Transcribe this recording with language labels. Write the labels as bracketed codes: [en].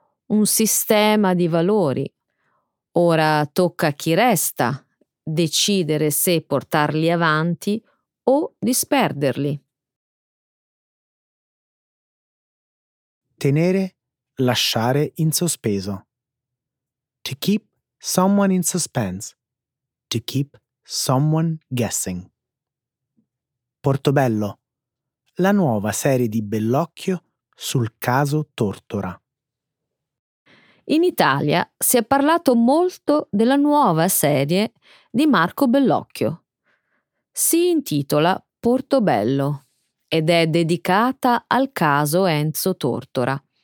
[it] un sistema di valori. Ora tocca a chi resta decidere se portarli avanti o disperderli. Tenere, lasciare in sospeso. [en] To keep someone in suspense. To keep someone guessing. [it] Portobello, la nuova serie di Bellocchio sul caso Tortora. In Italia si è parlato molto della nuova serie di Marco Bellocchio. Si intitola Portobello ed è dedicata al caso Enzo Tortora.